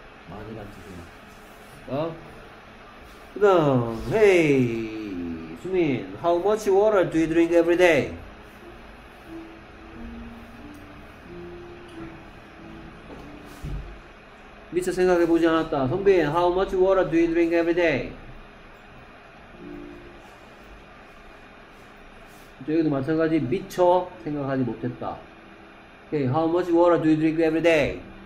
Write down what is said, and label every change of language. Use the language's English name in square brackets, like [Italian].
[Korean] 많이란 뜻이야. 그 다음, [English] hey, 수민, how much water do you drink every day? [Korean] 미처 생각해보지 않았다. 선배, [English] how much water do you drink every day? [Korean] 저희도 마찬가지, 미처 생각하지 못했다. [English] Hey, how much water do you drink every day?